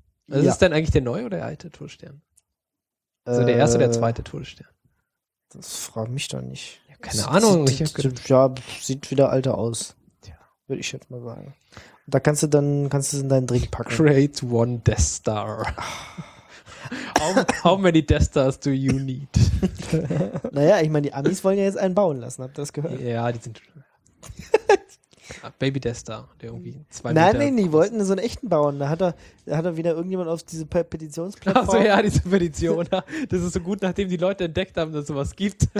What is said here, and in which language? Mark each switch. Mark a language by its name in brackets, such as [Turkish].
[German] Also ist es denn eigentlich der neue oder der alte Todesstern? Also der erste oder der zweite Todesstern? Das fragt mich doch nicht. Ja, keine Ahnung. Sieht wieder alter aus. Ja. Würde ich jetzt mal sagen. Und da kannst du es in deinen Drink packen. [English] Create one Death Star. How many Death Stars do you need? [German] Naja, ich meine, die Amis wollen ja jetzt einen bauen lassen, habt ihr das gehört? Ja, die sind Baby Death Star, der irgendwie 2 Nein, Meter nee, die wollten so einen echten bauen. Da hat er wieder irgendjemand auf diese Petitionsplattform. Achso, ja, diese Petition. Das ist so gut, nachdem die Leute entdeckt haben, dass es sowas gibt.